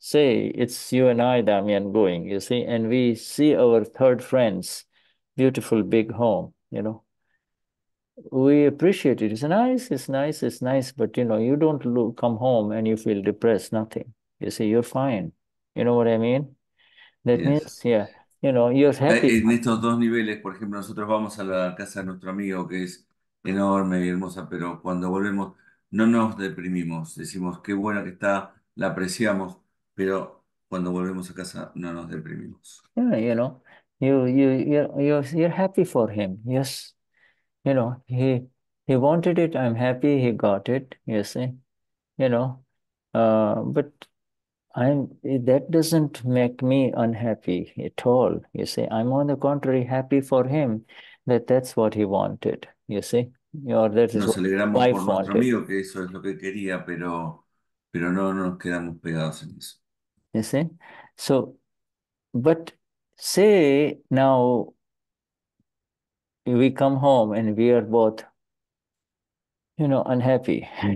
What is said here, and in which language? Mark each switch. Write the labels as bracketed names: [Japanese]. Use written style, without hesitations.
[English] Say it's you and I, Damian, going. You see, and we see our third friend's beautiful big home. You know, we appreciate it. It's nice. It's nice. It's nice. But you know, you don't look, come home and you feel depressed. Nothing. You see, you're fine. You know what I mean? That Yes. means, yeah, you know, you're happy. [Spanish] En estos dos niveles, por ejemplo, nosotros vamos a la casa de nuestro amigo, que es enorme y hermosa, pero cuando volvemos no nos deprimimos, decimos qué bueno que está, la apreciamos, pero cuando volvemos a casa no nos deprimimos. [English] Yeah, you know, you're happy for him. Yes, you know, he wanted it. I'm happy he got it. You see, you know, but I'm, that doesn't make me unhappy at all. You see, I'm on the contrary happy for him that that's what he wanted. You see, or that is [Spanish] Nos [English] what [Spanish] alegramos [English] wife [Spanish] por nuestro [English] wanted. [Spanish] amigo, que eso es lo que quería, pero no nos quedamos pegados en eso. [English] You see, so, but say now we come home and we are both, you know, unhappy.